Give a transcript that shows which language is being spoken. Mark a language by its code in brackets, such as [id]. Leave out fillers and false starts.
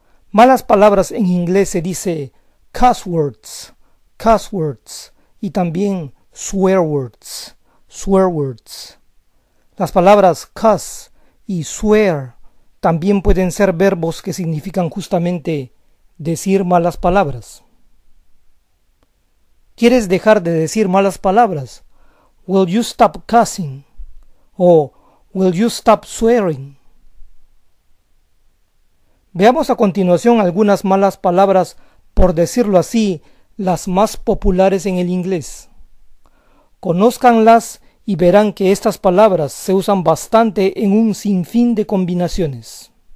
[es] Malas palabras en inglés se dice cuss words, cuss words, y también swear words, swear words. Las palabras cuss y swear también pueden ser verbos que significan justamente decir malas palabras. ¿Quieres dejar de decir malas palabras? [en] Will you stop cussing? O will you stop swearing? [es] Veamos a continuación algunas malas palabras, por decirlo así, las más populares en el inglés. Conózcanlas y verán que estas palabras se usan bastante en un sinfín de combinaciones.